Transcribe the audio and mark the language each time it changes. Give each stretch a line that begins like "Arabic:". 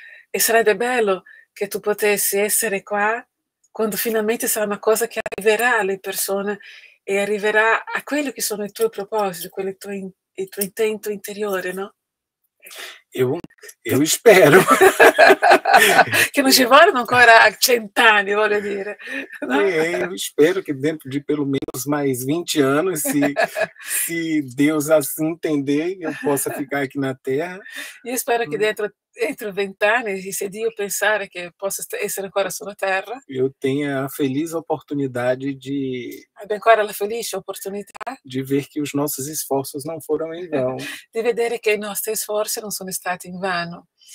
Italian: E sarebbe bello che tu potessi essere qua quando finalmente sarà una cosa che arriverà alle persone e arriverà a quello che sono i tuoi propositi, quello il tuo intento interiore, no? Io spero. Che non ci vogliono ancora 100 anni, voglio dire, no?
Portuguese: Eu espero que dentro de pelo menos mais 20 anos, se Deus assim entender, eu possa ficar aqui na Terra.
Italian: Io spero che entro 20 anni, se Dio pensare che possa essere ancora sulla terra,
Portuguese: Eu tenha a feliz oportunidade
Italian: abbia ancora la felice opportunità
Portuguese: de ver que os nossos esforços não foram em vão.
Italian: di vedere che i nostri sforzi non sono stati invano.